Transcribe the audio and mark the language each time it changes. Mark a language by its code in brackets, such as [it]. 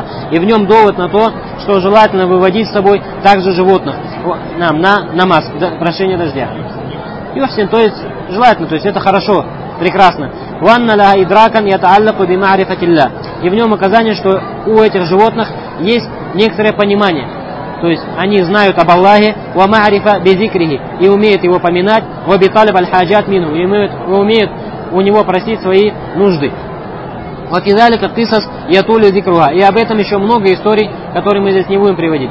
[ru] И в нем довод на то, что желательно выводить с собой также животных нам на намаз прошение дождя. То есть желательно, то есть это хорошо. Прекрасно. [ar] وأن لها إدراكا يتعلق بمعرفة الله. [ru] И в нем указание, что у этих животных есть некоторое понимание. То есть они знают об Аллахе, [ar] ва маарифа бизикрихи, [ru] и умеют его поминать, [ar] ва биталиб аль-хаджат мину, [ru] и умеют у него просить свои нужды. [ar] Ва кизалика кисас ятулю зикруха. [ru] И об этом еще много историй, которые мы здесь не будем приводить.